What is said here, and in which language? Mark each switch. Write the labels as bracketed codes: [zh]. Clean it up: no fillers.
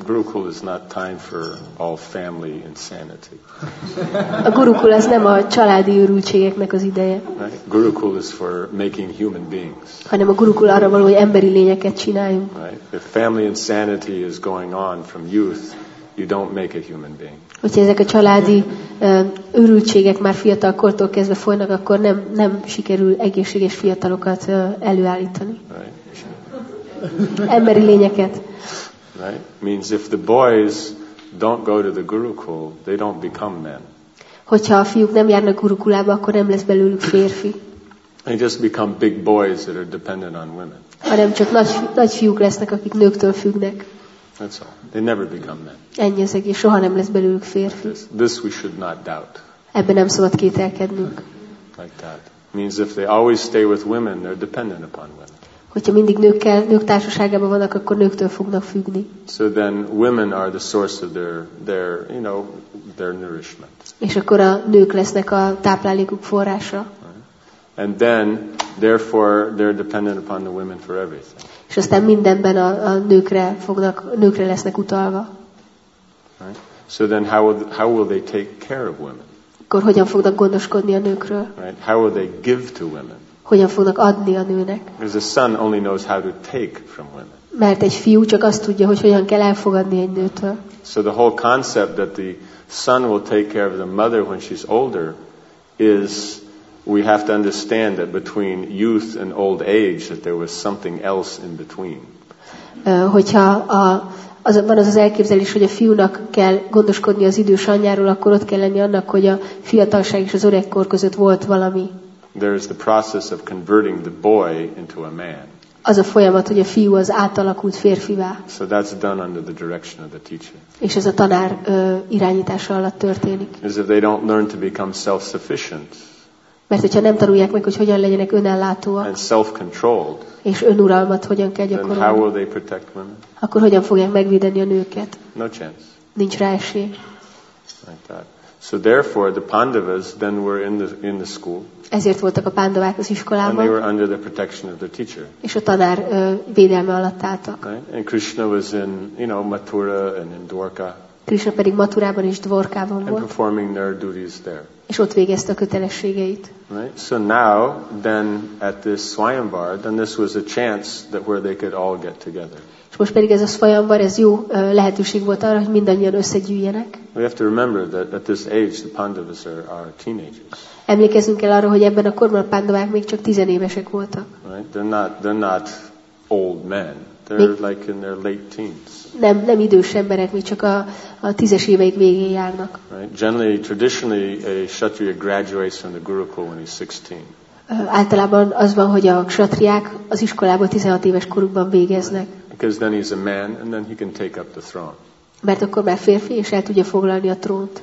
[en] Gurukul is not time for all family insanity. [hu] A Gurukul az nem a családi őrültségeknek az ideje. [en] Right? Gurukul is for making human beings. [hu] Hanem a Gurukul arra való, hogy emberi lényeket csináljunk. [en] Right? If family insanity is going on from youth, you don't make a human being. [hu] Hogyha ezek a családi őrültségek már fiatal kortól kezdve folynak, akkor nem sikerül egészséges fiatalokat előállítani. [en] Right. [hu] Emberi lényeket. [en] Right. Means if the boys don't go to the Gurukul, they don't become men. [hu] Hogyha a fiúk nem járnak Gurukulába, akkor nem lesz belőlük férfi. [en] They just become big boys that are dependent on women. [hu] Hanem csak nagy fiúk lesznek, akik nőktől függnek. [en] That's all. They never become men. [hu] Ennyi az egész, soha nem lesz belőlük férfi. [en] Like this we should not doubt. [hu] Ebben nem szabad kételkednünk. [en] Like that. Means if they always stay with women, they're dependent upon women. [hu] Hogyha mindig nők társaságában vannak, akkor nőktől fognak függni. [en] So then women are the source of their you know, their nourishment. [hu] És akkor a nők lesznek a táplálékuk forrása. [en] And then therefore they're dependent upon the women for everything. [hu] És aztán mindenben a nőkre lesznek utalva. [en] Right. So then how will they take care of women? [hu] Akkor hogyan fognak gondoskodni a nőkről? [en] Right. How will they give to women? [hu] Hogyan fognak adni a nőnek? [en] Because a son only knows how to take from women. [hu] Mert egy fiú csak azt tudja, hogy hogyan kell elfogadni egy nőtől. [en] So the whole concept that the son will take care of the mother when she's older is we have to understand that between youth and old age that there was something else in between. [hu] Hogyha van az elképzelés, hogy a fiúnak kell gondoskodni az idős anyjáról, akkor ott kell lenni annak, hogy a fiatalság és az öregkor között volt valami. [en] There is the process of converting the boy into a man. [hu] Az a folyamat, hogy a fiú az átalakult férfivá. [en] So that's done under the direction of the teacher. [hu] És ez a tanár irányítása alatt történik. [en] As if they don't learn to become self-sufficient. [hu] Mert hogyha nem tanulják meg, hogy hogyan legyenek önellátóak, és önuralmat hogyan kell gyakorolni, akkor hogyan fogják megvédeni a nőket? [en] No chance. [hu] Nincs rá esély. [en] Like that. So therefore the Pandavas then were in the school. [hu] Ezért voltak a Pandavák az iskolában. [en] And they were under the protection of their teacher. [hu] És a tanár védelme alatt álltak. [en] Right? And Krishna was in, you know, Mathura and in Dvarka. [hu] Krishna pedig Mathurában és Dvarkában volt. [en] And performing their duties there. [hu] És ott végezte a kötelességeit. [en] Right. So now, then at this Swayamvar, then this was a chance that where they could all get together. [hu] És most pedig ez a Swayamvar, ez jó lehetőség volt arra, hogy mindannyian összegyűjjenek. [en] We have to remember that at this age the Pandavas are teenagers. [hu] Emlékezzünk el arra, hogy ebben a korban a Pandavák még csak tizenévesek voltak. [en] Right. They're not old men. They're [hu] még [en] like in their late teens. [hu] Nem idős emberek, még csak a tízes éveik végén járnak. [en] Right. Generally, traditionally, a kshatriya graduates from the Gurukul when he's 16. [hu] Általában az van, hogy a kshatriák az iskolában 16 éves korukban végeznek. [en] Right. Because then he's a man, and then he can take up the throne. [hu] Mert akkor már férfi, és el tudja foglalni a trónt.